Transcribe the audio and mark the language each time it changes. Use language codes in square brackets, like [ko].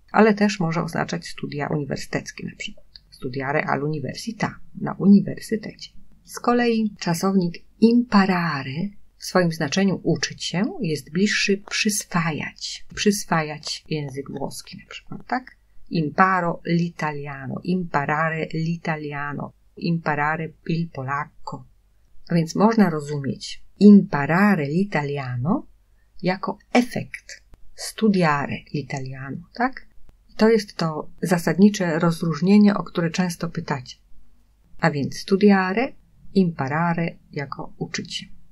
[pl] ale też może oznaczać studia uniwersyteckie, na przykład studia real università, na uniwersytecie. Z kolei czasownik imparare w swoim znaczeniu uczyć się jest bliższy przyswajać. Przyswajać język włoski na przykład, tak? [it] Imparo l'italiano, imparare l'italiano, imparare il polacco. [pl] A więc można rozumieć [it] imparare l'italiano [pl] jako efekt [it] studiare l'italiano, [pl] tak? To jest to zasadnicze rozróżnienie, o które często pytacie. A więc studiare, imparare jako uczyć się.